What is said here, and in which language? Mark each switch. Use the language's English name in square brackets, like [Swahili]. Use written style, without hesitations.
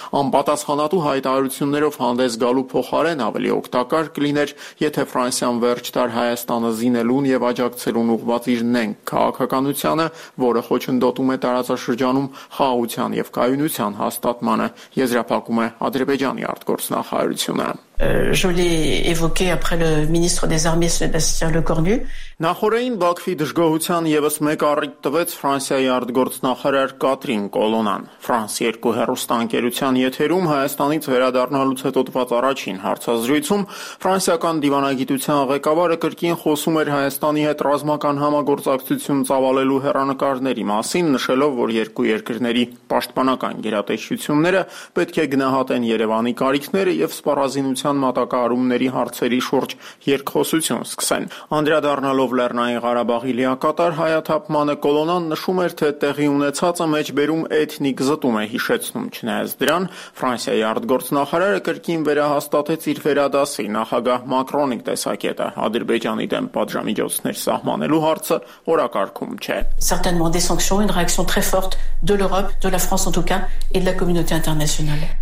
[Armenian] Անպատասխանատու հայտարարություններով հանդես գալու փոխարեն ավելի օգտակար կլիներ, եթե Ֆրանսիան վերջտար Հայաստանը զինելուն և աջակցելուն ուղված իր նենք քաղաքականությանը, որը խոչընդոտում է տարածաշրջանում խաղաղության և կայունության հաստատմանը, եզրափակում է ադրբեջանի արտգործնախարարությունը։ [French] Je l'ai évoqué après le ministre des Armées Sébastien Lecornu. [Armenian] Նախորդին Բաքվի դժգոհության եւս մեկ առիթ տվեց Ֆրանսիայի արտգործնախարար Կատրին Կոլոնան։ Ֆրանս 2 հեռուստաընկերության եթերում Հայաստանից վերադառնալուց հետո տված առաջին հարցազրույցում ֆրանսիական դիվանագիտության ղեկավարը կրկին խոսում էր Հայաստանի հետ ռազմական համագործակցություն ծավալելու հեռանկարների մասին, նշելով, որ երկու երկրների պաշտպանական գերատեսչությունները պետք է գնահատեն Երևանի կարիքները եւ սպառազինության մատակարարումների հարցերի շուրջ երկխոսություն սկսեն։ Անդրադառնալով Լեռնային Ղարաբաղի լիակատար հայաթափմանը, Կոլոնան նշում էր, թե տեղի ունեցածը մեջբերում էթնիկ զտում է հիշեցնում, չնայած դրան Ֆրանսիայի արտգործնախարարը կրկին վերահաստատեց իր վերադասի նախագահ Մակրոնի տեսակետը, ադրբեջանի դեմ պատժամիջոցներ սահմանելու հարցը օրակարգում չէ։ [French] Certainement des sanctions, une réaction très forte de l'Europe, de la France en tout cas et de la communauté internationale.